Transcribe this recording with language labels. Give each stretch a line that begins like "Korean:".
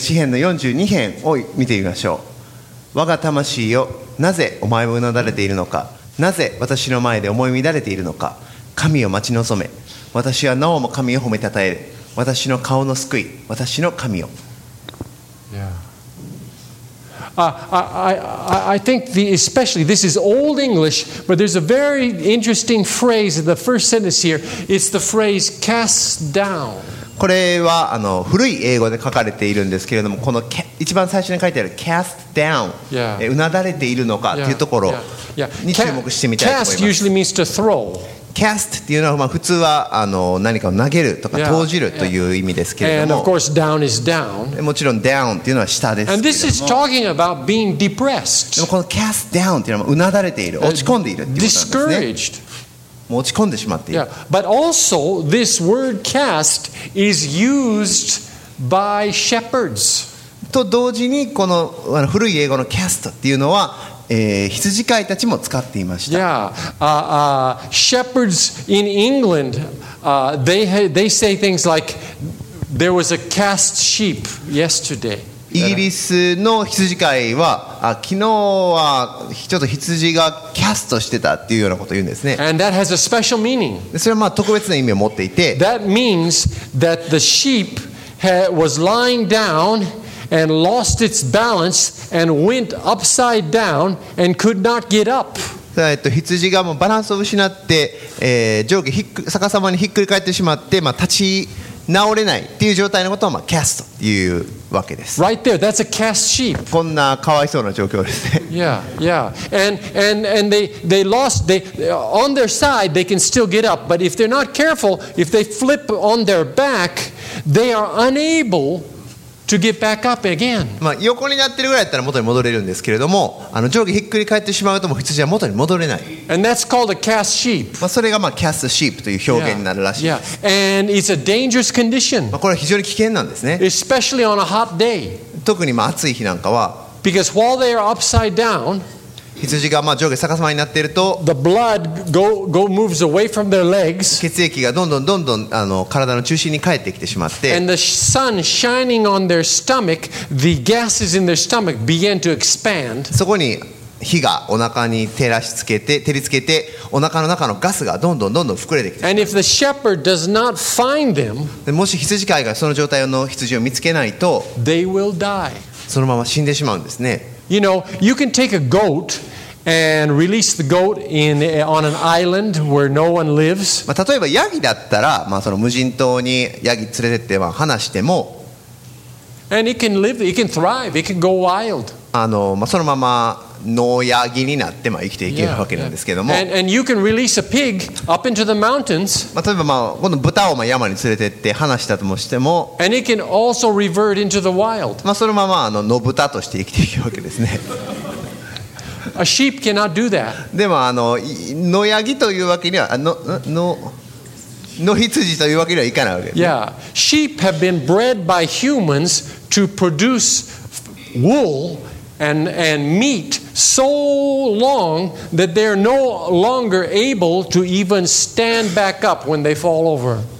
Japanese: 詩編の42編を見てみましょう。我が魂よ、なぜお前をうなだれているのか。なぜ私の前で思い乱れているのか。神を待ち望め。私はなおも神を褒めたたえる。私の顔の救い、私の神よ。
English: Yeah. I think the especially this is old English, but there's a very interesting phrase in the first sentence here. It's the phrase cast down.
Japanese: これは古い英語で書かれているんですけれども、この一番最初に書いてある cast down、
English: yeah.
Japanese: うなだれているのかというところに注目してみたいと思います。
English: Cast usually means to throw.
Japanese: Cast っていうのは普通は何かを投げるとか投じるという意味ですけれども、
English: And of course, down is down.
Japanese: もちろん down っていうのは下ですけれども、
English: And this is talking about being depressed.
Japanese: でもこの cast down っていうのはうなだれている、落ち込んでいるっていうことなんですね。もう落ち込んでしまっている。
English: Yeah. But also, this word cast is used by shepherds.
Japanese: と同時にこの古い英語の cast っていうのは羊飼いたちも使っていました。
English: Yeah. Shepherds in England, they say things like, "There was a cast sheep yesterday."
Japanese: イギリスの羊飼いは、昨日はちょっと羊がキャストしてたっていうようなことを言うんですね。
English: And that has a special meaning.
Japanese: それは特別な意味を持っていて、
English: That means that the sheep was lying down. And lost its balance and went upside down and could not get up.
Japanese: 羊がもうバランスを失って、上下ひっく逆さまにひっくり返ってしまって、立ち直れないっていう状態のことを、cast というわけです。
English: Right there, that's a cast sheep.
Japanese: こんなかわいそうな状況ですね。
English: Yeah, yeah. And they lost, they, on their side, they can still get up. But if they're not careful, if they flip on their back, they are unableTo get back up again.
Japanese: 横になってるぐらいだったら元に戻れるんですけれども、上下ひっくり返ってしまうとも羊は元に戻れない。
English: And that's called a cast sheep.
Japanese: それが cast sheep という表現になるらしいです。
English: Yeah. And it's a dangerous condition.
Japanese: これは非常に危険なんですね。
English: Especially on a hot day.
Japanese: 特に暑い日なんかは。
English: Because while they are upside down.
Japanese: 羊が上下逆さまになっていると
English: The blood go moves away from their legs.
Japanese: 血液がどんどんどんどん体の中心に帰ってきてしまって
English: And the sun shining on their stomach, the gases in their stomach began to expand.
Japanese: そこに火がお腹に照らしつけて照りつけてお腹の中のガスがどんどんどんどん膨れてきて
English: And if the shepherd does not find them,
Japanese: もし羊飼いがその状態の羊を見つけないと
English: They will die.
Japanese: そのまま死んでしまうんですね。
English: You know, you can take a goat and release the goat on an island where no one lives.
Japanese: 例えばヤギだったら、その無人島にヤギ連れてっては放しても、
English: and it can live, it can thrive, it can go wild.
Japanese: そのままのヤギになって生きていけるわけなんですけども、
English: and you can release a pig up into the mountains.
Japanese: 例えば今度豚を山に連れてって放したともしても、
English: and it can also revert into the wild.
Japanese: そのまま野豚として生きていけるわけですね。
English: A sheep cannot do that.
Japanese: でもあの野ヤギというわけには野羊というわけにはいかないわけです、ね。
English: Yeah, sheep have been bred by humans to produce wool and meat so long that they're no longer able to even stand back up when they fall over.